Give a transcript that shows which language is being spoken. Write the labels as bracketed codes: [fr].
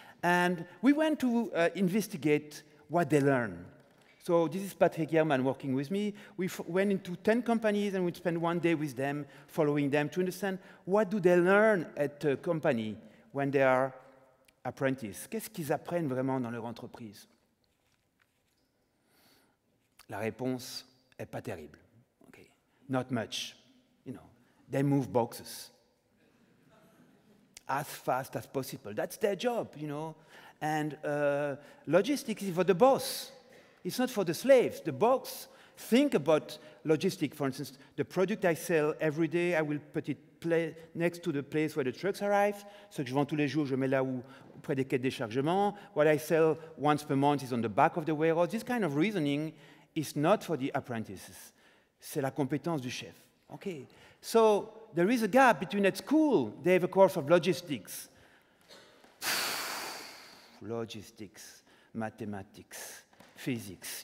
[en] And we went to investigate what they learn. So this is Patrick Yerman working with me. We went into 10 companies and we spent 1 day with them, following them to understand what do they learn at a company when they are apprentices. [fr] Qu'est-ce qu'ils apprennent vraiment dans leur entreprise? La réponse est pas terrible. Okay. [en] Not much. You know, they move boxes as fast as possible. That's their job, you know. And logistics is for the boss. It's not for the slaves. The box, think about logistics, for instance. The product I sell every day, I will put it next to the place where the trucks arrive. [fr] Ce que je vends tous les jours, je mets là où, près des quais de déchargement. [en] What I sell once per month is on the back of the warehouse. This kind of reasoning is not for the apprentices. [fr] C'est la compétence du chef. [en] Okay. So there is a gap between at school, they have a course of logistics. Logistics, mathematics. Physics.